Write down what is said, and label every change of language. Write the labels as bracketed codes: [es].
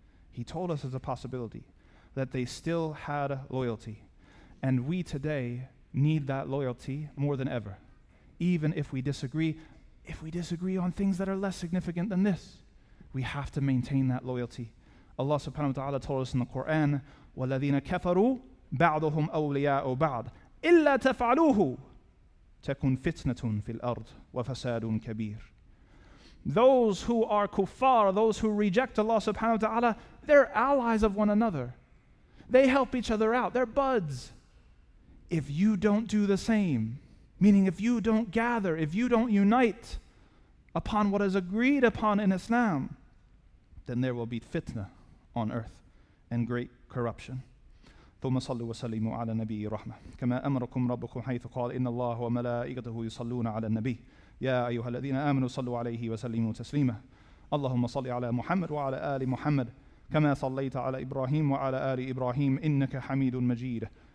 [en] He told us it's a possibility that they still had loyalty. And we today need that loyalty more than ever. Even if we disagree on things that are less significant than this, we have to maintain that loyalty. [ar] Allah subhanahu wa ta'ala [en] told us in the Quran, [ar] وَالَّذِينَ كَفَرُوا بَعْضُهُمْ أَوْلِيَاءُ بَعْضٍ إِلَّا تَفَعْلُوهُ تَكُنْ فِتْنَةٌ فِي الْأَرْضِ وَفَسَادٌ كَبِيرٌ. [en] Those who are kuffar, those who reject Allah subhanahu wa ta'ala, they're allies of one another. They help each other out. They're buds. If you don't do the same, meaning if you don't gather, if you don't unite upon what is agreed upon in Islam, then there will be fitna on earth and great corruption. [ar] ثم صلوا وسلموا على نبي رحمة كما أمركم ربكم حيث قال إن الله وملائكته يصلون على النبي يا أيها الذين آمنوا صلوا عليه وسلموا تسليما اللهم صل على محمد وعلى آل محمد كما صليت على إبراهيم وعلى آل إبراهيم إنك حميد مجيد